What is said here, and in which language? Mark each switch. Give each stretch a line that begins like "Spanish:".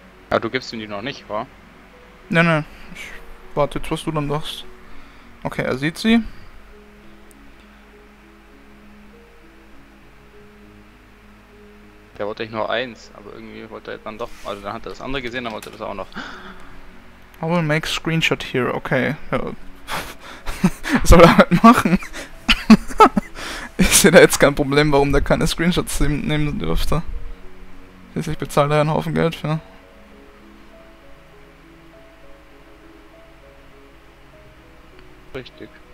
German: Aber du gibst ihm die noch nicht, oder? Nee, nee. Ich warte jetzt, was du dann sagst. Okay, er sieht sie. Der wollte ich nur eins, aber irgendwie wollte er dann doch. Also dann hat er das andere gesehen, dann wollte er das auch noch.
English: I will make screenshot here, okay.
German: Ja. Was soll er halt machen? Ich sehe da jetzt kein Problem, warum der keine Screenshots nehmen dürfte. Schließlich bezahlt er einen Haufen Geld für. Richtig.